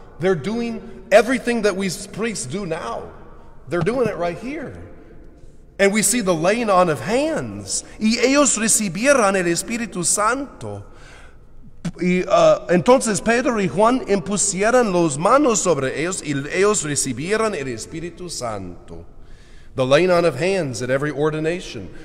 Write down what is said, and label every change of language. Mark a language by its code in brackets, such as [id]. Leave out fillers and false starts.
[en] They're doing everything that we priests do now. They're doing it right here. And we see the laying on of hands. [es] Y ellos recibieron el Espíritu Santo. Entonces Pedro y Juan impusieron las manos sobre ellos y ellos recibieron el Espíritu Santo. [en] The laying on of hands at every ordination.